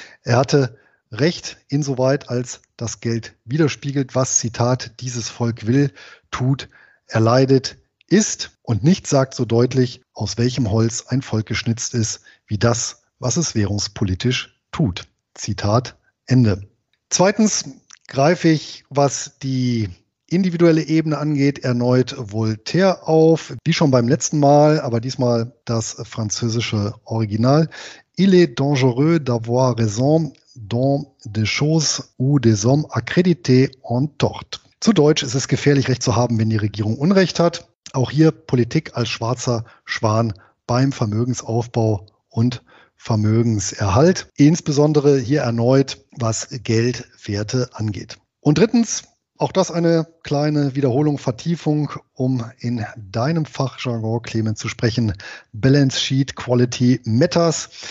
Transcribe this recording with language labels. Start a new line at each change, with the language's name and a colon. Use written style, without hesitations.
German: Er hatte Recht insoweit, als das Geld widerspiegelt, was, Zitat, dieses Volk will, tut, erleidet, ist und nichts sagt so deutlich, aus welchem Holz ein Volk geschnitzt ist, wie das, was es währungspolitisch tut. Zitat Ende. Zweitens greife ich, was die individuelle Ebene angeht, erneut Voltaire auf, wie schon beim letzten Mal, aber diesmal das französische Original.
French: Il est dangereux d'avoir raison dans des choses où des hommes accrédités ont tort.
German: Zu Deutsch ist es gefährlich, Recht zu haben, wenn die Regierung Unrecht hat. Auch hier Politik als schwarzer Schwan beim Vermögensaufbau und Vermögenserhalt, insbesondere hier erneut, was Geldwerte angeht. Und drittens, auch das eine kleine Wiederholung, Vertiefung, um in deinem Fachjargon, Clemens, zu sprechen,
English: Balance Sheet Quality Matters.